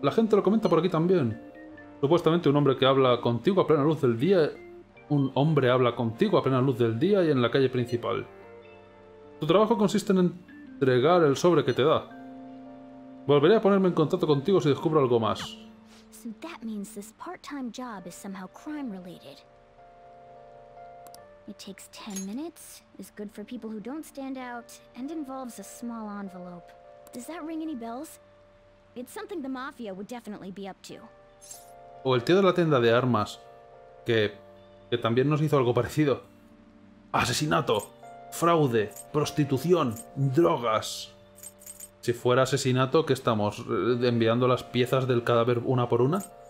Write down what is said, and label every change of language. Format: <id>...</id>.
<es>La gente lo comenta por aquí también. Supuestamente un hombre que habla contigo a plena luz del día. Un hombre habla contigo a plena luz del día y en la calle principal. Tu trabajo consiste en entregar el sobre que te da. Volveré a ponerme en contacto contigo si descubro algo más.</es> <en>So that means this part-time job is somehow crime-related. It takes 10 minutes, is good for people who don't stand out, and involves a small envelope. Does that ring any bells? It's something the mafia would definitely be up to.</en> <es>O el tío de la tienda de armas, que también nos hizo algo parecido. Asesinato, fraude, prostitución, drogas. Si fuera asesinato, ¿qué estamos? ¿Enviando las piezas del cadáver una por una?</es>